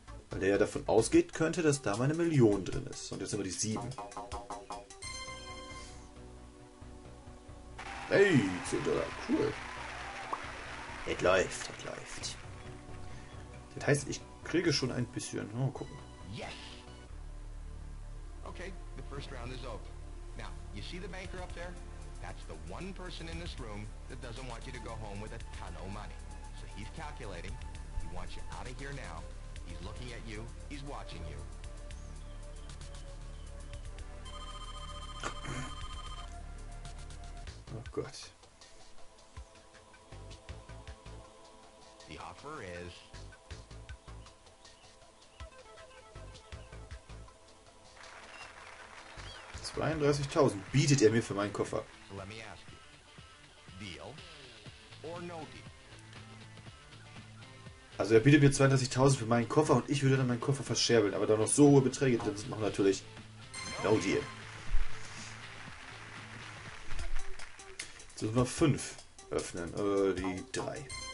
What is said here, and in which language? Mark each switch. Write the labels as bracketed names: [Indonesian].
[German] Weil der ja davon ausgeht könnte, dass da meine Million drin ist. Und jetzt sind wir die 7. Hey, 10 Dollar, cool. Es läuft, es läuft. Das heißt, ich kriege schon ein bisschen. Mal gucken. [English] Okay, the first round is over. Now, you see the banker up there? That's the one person in this room that doesn't want you to go home with a ton of money. So he's calculating. He wants you out of here now. He's looking at you. He's watching you. Oh, God. The offer is... [German] $32.000 bietet er mir für meinen Koffer. [English] Let me ask you, deal or no deal? [German] Also er bietet mir 32.000 für meinen Koffer und ich würde dann meinen Koffer verscherbeln. Aber da noch so hohe Beträge drin sind, machen natürlich no deal. Jetzt müssen wir 5 öffnen. Die 3.